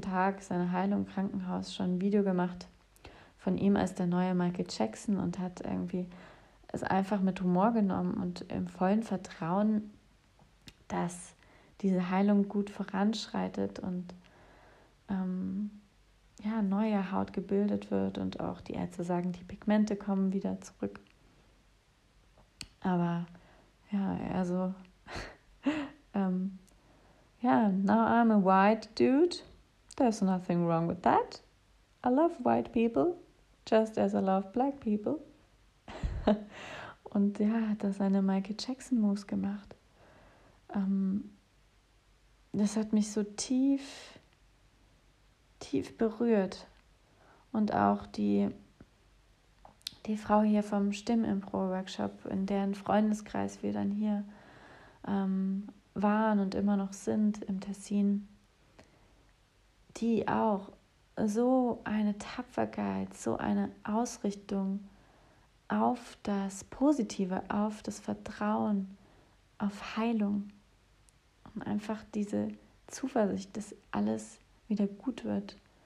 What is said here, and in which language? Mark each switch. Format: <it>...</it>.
<de>Tag seiner Heilung im Krankenhaus schon ein Video gemacht von ihm als der neue Michael Jackson und hat irgendwie es einfach mit Humor genommen und im vollen Vertrauen, dass diese Heilung gut voranschreitet und ja, neue Haut gebildet wird und auch die Ärzte sagen, die Pigmente kommen wieder zurück. Aber ja, also ja,</de> <en>now I'm a white dude. There's nothing wrong with that. I love white people, just as I love black people.</en> <de>Und ja, hat da seine Michael Jackson Moves gemacht. Das hat mich so tief berührt. Und auch die Frau hier vom Stimmimpro-Workshop, in deren Freundeskreis wir dann hier waren und immer noch sind im Tessin, die auch so eine Tapferkeit, so eine Ausrichtung auf das Positive, auf das Vertrauen, auf Heilung und einfach diese Zuversicht, dass alles wieder gut wird.</de>